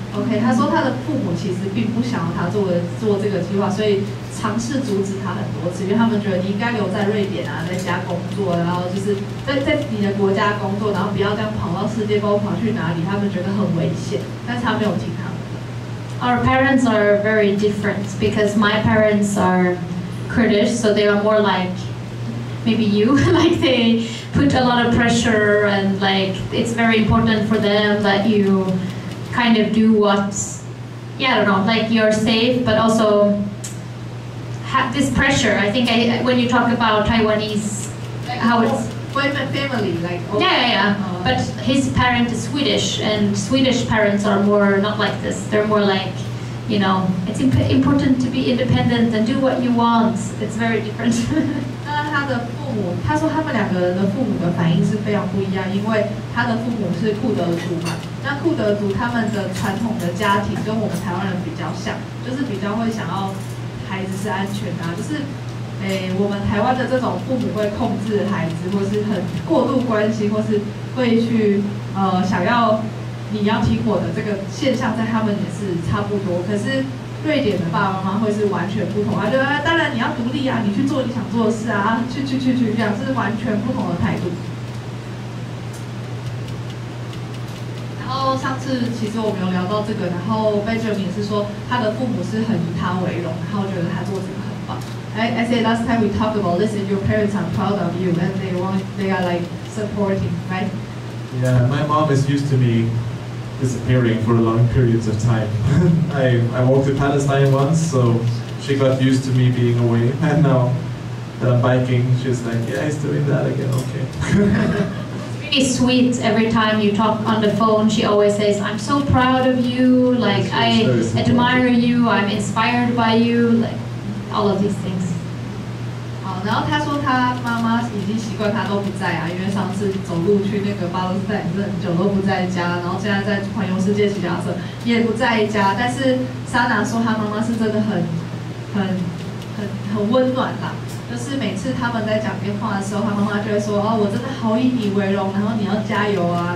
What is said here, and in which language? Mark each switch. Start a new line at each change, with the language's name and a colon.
Chinese: Okay, 他说他的父母其实并不想要他做这个计划，所以尝试阻止他很多次，因为他们觉得你应该留在瑞典啊，在家工作，然后就是在你的国家工作，然后不要这样跑到世界，包括跑去哪里，他们觉得很危险，但是他没有听他们的。
English: Our parents are very different because my parents are Kurdish, so they are more like maybe you, like they put a lot of pressure and like it's very important for them that you kind of do what, yeah, I don't know, like you're safe, but also. Have this pressure. I think when you talk about Taiwanese, like, how it's boyfriend family, like okay. Yeah. But his parent is Swedish, and Swedish parents are more not like this. They're more like, you know, it's important to be independent and do what you want. It's very different.
Chinese: 那他的父母，他说他们两个人的父母的反应是非常不一样，因为他的父母是库德族嘛。那库德族他们的传统的家庭跟我们台湾人比较像，就是比较会想要。孩子是安全的、啊、就是我们台湾的这种父母会控制孩子或是很过度关心或是会去想要你要听我的这个现象在他们也是差不多，可是瑞典的爸爸妈妈会是完全不同啊，就当然你要独立啊，你去做你想做的事啊，去这样是完全不同的态度。然后上次其实我们有聊到这个，然后 Benjamin 是说他的父母是很以他为荣，然后觉得他做这个很棒。
English: I say last time we talked about this, and your parents are proud of you, and they are like supporting, right? Yeah, my mom is used to me disappearing for long periods of time. I walked to Palestine once, so she got used to me being away, and now that I'm biking, she's like, yeah, he's doing that again, okay. Sweet every time you talk on the phone, she always says, I'm so proud of you, like I admire you, I'm inspired by you, like all of these things.
Chinese: 好，然后他说他妈妈已经习惯他都不在啊，因为上次走路去那个巴勒斯坦很久都不在家，然后现在在环游世界骑脚踏车也不在家，但是莎娜说他妈妈是真的很温暖啦，就是每次他们在讲电话的时候，他妈妈就会说：“哦，我真的好以你为荣，然后你要加油啊！”